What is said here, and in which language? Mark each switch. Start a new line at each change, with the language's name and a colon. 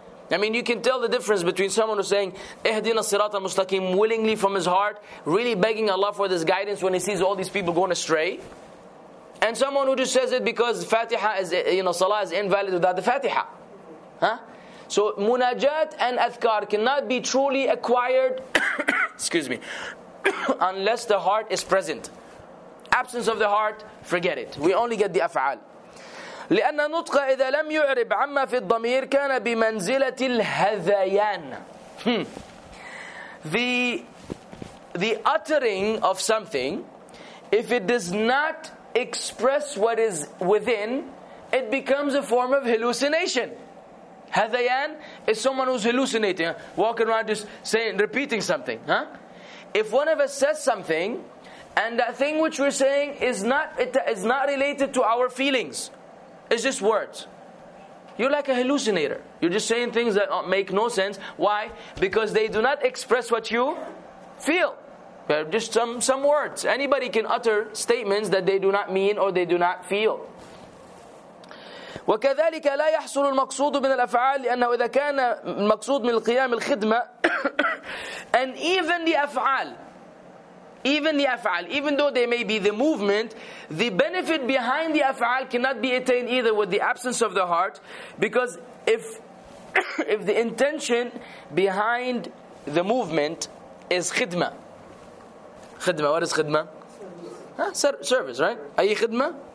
English: I mean, you can tell the difference between someone who's saying ihdina sirat al-mustaqim willingly from his heart, really begging Allah for this guidance when he sees all these people going astray, and someone who just says it because fatiha is, you know, salah is invalid without the fatiha. So munajat and adhkar cannot be truly acquired excuse me unless the heart is present. Absence of the heart, forget it. We only get the af'al.
Arabic: لأن نطق إذا لم يعرب عما في الضمير كان بمنزلة الهذيان.
English: The uttering of something, if it does not express what is within, it becomes a form of hallucination. هذيان is someone who's hallucinating, walking around just saying, repeating something. If one of us says something, and that thing which we're saying is not related to our feelings, it's just words, you're like a hallucinator. You're just saying things that make no sense. Why? Because they do not express what you feel. They're just some words. Anybody can utter statements that they do not mean or they do not feel.
Arabic: وكذلك لا يحصل المقصود من الأفعال لأنه إذا كان المقصود من القيام الخدمة.
English: And even the af'al, even though they may be the movement, the benefit behind the af'al cannot be attained either with the absence of the heart. Because if the intention behind the movement is khidma. Khidma, what is khidma? Service, right? Ayy khidma?